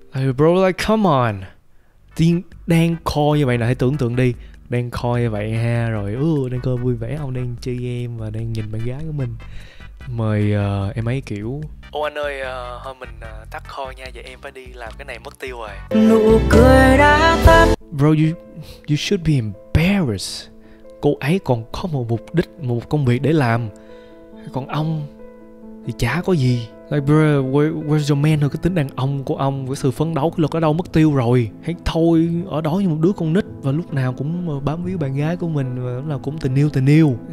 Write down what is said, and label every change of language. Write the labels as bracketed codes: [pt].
[en] Like, bro, like, come on. [vi] Đang coi như vậy nè, hãy tưởng tượng đi. Đang coi như vậy ha, rồi đang coi vui vẻ, ông đang chơi game và đang nhìn bạn gái của mình. Mời em ấy kiểu, ô anh ơi, thôi mình tắt coi nha, vậy em phải đi làm cái này mất tiêu rồi. Nụ cười đã tắt. [en] Bro, you should be embarrassed. [vi] Cô ấy còn có một mục đích, một công việc để làm, còn ông thì chả có gì. [en] Like bro, where's your man? [vi] Cái tính đàn ông của ông, cái sự phấn đấu, cái lực ở đâu mất tiêu rồi? Hãy thôi ở đó như một đứa con nít và lúc nào cũng bám víu bạn gái của mình và lúc nào cũng tình yêu.